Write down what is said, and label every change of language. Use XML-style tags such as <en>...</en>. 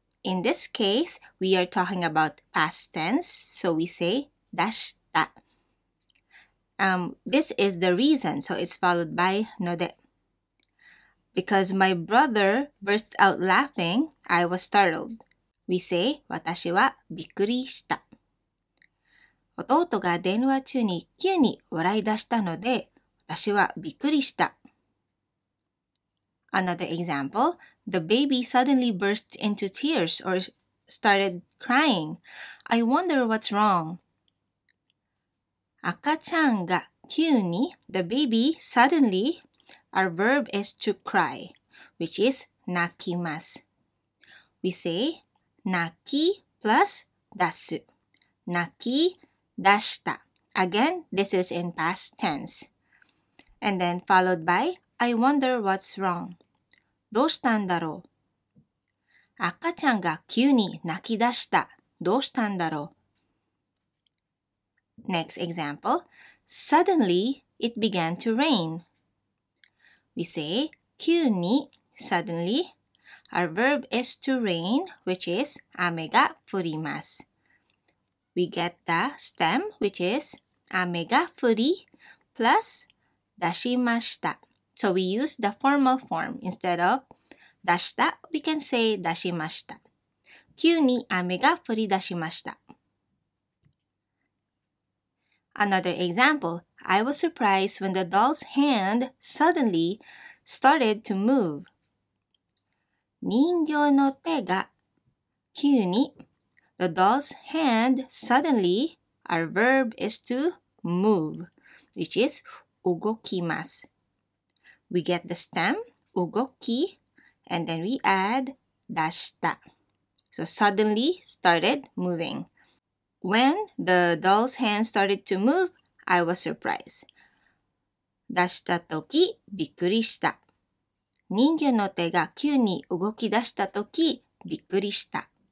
<en>In this case, we are talking about past tense. So we say 出した.This is the reason. So it's followed by ので.Because my brother burst out laughing, I was startled. We say,</en> <ja>私はびっくりした。弟が電話中に急に笑い出したので、私はびっくりした。</ja> <en>Another example, the baby suddenly burst into tears or started crying. I wonder what's wrong.</en> <ja>赤ちゃんが急に、</ja> <en>the baby suddenly, our verb is to cry, which is</en> <ja>泣きます。</ja> <en>We say,泣き plus 出す。</en> <ja>泣き出した。</ja> <en>Again, this is in past tense. And then followed by, I wonder what's wrong.</en> <ja>どうしたんだろう? 赤ちゃんが急に泣き出した。どうしたんだろう?</ja> <en>Next example. Suddenly, it began to rain. We say, 急に suddenly,Our verb is to rain, which is</en> <ja>雨が降ります。</ja> <en>We get the stem, which is</en> <ja>雨が降り</ja> <en>plus</en> <ja>出しました。</ja> <en>So we use the formal form. Instead of 出した, we can say 出しました。</en> <ja>急に雨が降り出しました。</ja> <en>Another example. I was surprised when the doll's hand suddenly started to move.</en> <ja>人形の手が急に</ja> <en>The doll's hand suddenly, our verb is to move. which is 動きます。We get the stem, 動き, and then we add 出した. So suddenly started moving. When the doll's hand started to move, I was surprised.</en> <ja>出したとき、びっくりした。人魚の手が急に動き出したとき、びっくりした。</ja>